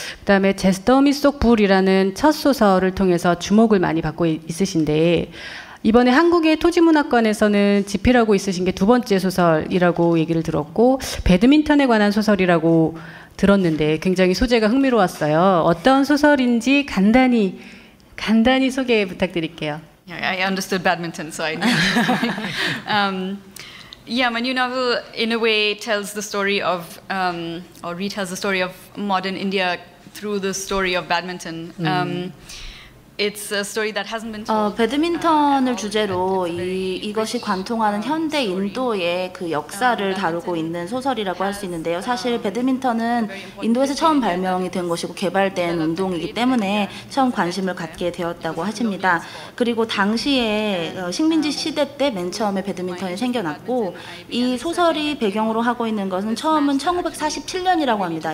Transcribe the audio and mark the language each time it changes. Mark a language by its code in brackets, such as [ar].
[ko] 그다음에 제스터 미속 불이라는 첫 소설을 통해서 주목을 많이 받고 있으신데 이번에 한국의 토지문학관에서는 집필하고 있으신 게 두 번째 소설이라고 얘기를 들었고 배드민턴에 관한 소설이라고 들었는데 굉장히 소재가 흥미로웠어요. 어떤 소설인지 간단히 소개 부탁드릴게요. [en] Yeah, I understood badminton, so I knew. my new novel, in a way, tells the story of, or retells the story of modern India through the story of badminton. It's a story that hasn't been told. [ko] 배드민턴을 주제로 이것이 관통하는 현대 인도의 그 역사를 다루고 있는 소설이라고 할 수 있는데요. 사실 배드민턴은 인도에서 처음 발명이 된 것이고 개발된 운동이기 때문에 처음 관심을 갖게 되었다고 하십니다. 그리고 당시에 식민지 시대 때 맨 처음에 배드민턴이 생겨났고 이 소설이 배경으로 하고 있는 것은 처음은 1947년이라고 합니다.